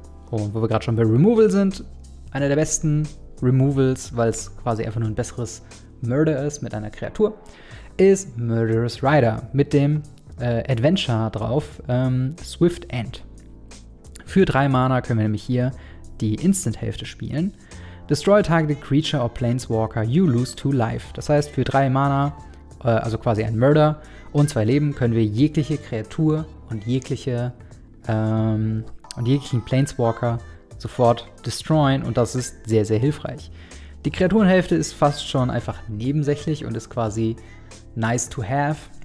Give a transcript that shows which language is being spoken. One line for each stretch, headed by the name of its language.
German: Und wo wir gerade schon bei Removal sind, einer der besten Removals, weil es quasi einfach nur ein besseres Murder ist mit einer Kreatur, ist Murderous Rider mit dem Adventure drauf, Swift End. Für 3 Mana können wir nämlich hier die Instant-Hälfte spielen.
English: Destroy a targeted creature or planeswalker, you lose 2 life.
German: Das heißt, für 3 Mana, also quasi ein Murder und 2 Leben, können wir jegliche Kreatur und jeglichen Planeswalker sofort destroyen und das ist sehr, sehr hilfreich. Die Kreaturenhälfte ist fast schon einfach nebensächlich und ist quasi nice to have.